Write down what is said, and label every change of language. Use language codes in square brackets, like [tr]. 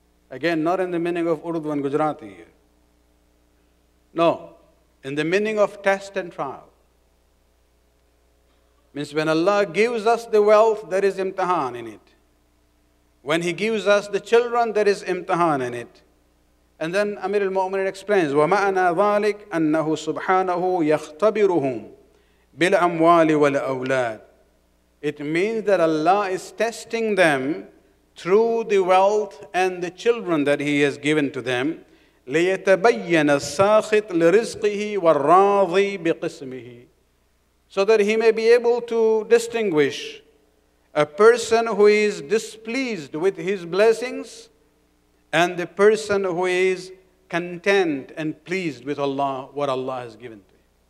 [en] Again, not in the meaning of Urdu and Gujarati here. No, in the meaning of test and trial. Means when Allah gives us the wealth, there is imtihan in it. When He gives us the children, there is imtihan in it. And then Amir al-Mu'minin explains, [ar] وَمَعْنَا ذَلِكَ أَنَّهُ سُبْحَانَهُ يَخْتَبِرُهُمْ بِالْأَمْوَالِ وَالْأَوْلَادِ. [en] It means that Allah is testing them through the wealth and the children that He has given to them. [ar] لِيَتَبَيَّنَ السَّاخِطُ لِرِزْقِهِ وَالرَّاضِي بِقِسْمِهِ. [en] So that he may be able to distinguish a person who is displeased with his blessings and the person who is content and pleased with Allah, what Allah has given to him.